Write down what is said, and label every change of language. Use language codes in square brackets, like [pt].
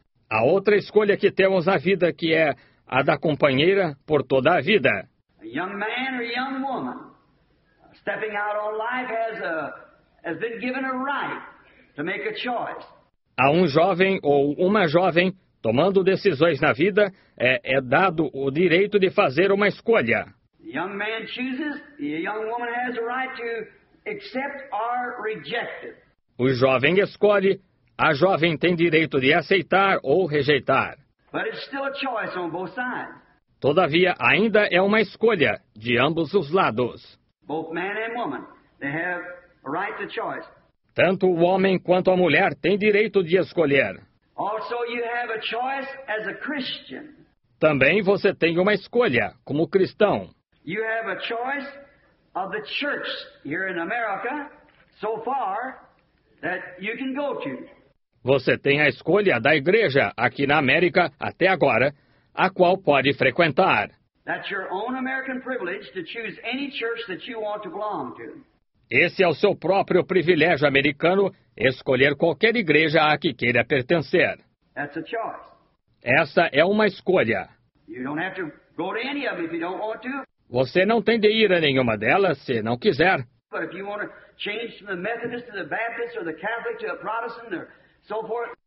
[pt] Há outra escolha que temos na vida, que é a da companheira por toda a vida. [en] A young man or young woman stepping out on life has been given a right to make a choice. [pt] A um jovem ou uma jovem tomando decisões na vida é dado o direito de fazer uma escolha. [en] A young man chooses, a young woman has a right to accept or reject it. [pt] O jovem escolhe, a jovem tem direito de aceitar ou rejeitar. [en] But it's still a choice on both sides. [pt] Todavia, ainda é uma escolha de ambos os lados. [en] Both man and woman, they have a right to choice. [pt] Tanto o homem quanto a mulher têm direito de escolher. [en] Also, you have a choice as a Christian. [pt] Também você tem uma escolha como cristão. [en] You have a choice of the church here in America so far that you can go to. [pt] Você tem a escolha da igreja aqui na América até agora, a qual pode frequentar. [en] That's your own American privilege to choose any church that you want to belong to. [pt] Esse é o seu próprio privilégio americano, escolher qualquer igreja a que queira pertencer. [en] That's a choice. [pt] Essa é uma escolha. [en] You don't have to go to any of them if you don't want to. [pt] Você não tem de ir a nenhuma delas se não quiser. [en] But if you want to change from the Methodist to the Baptist or the Catholic to a Protestant or so forth.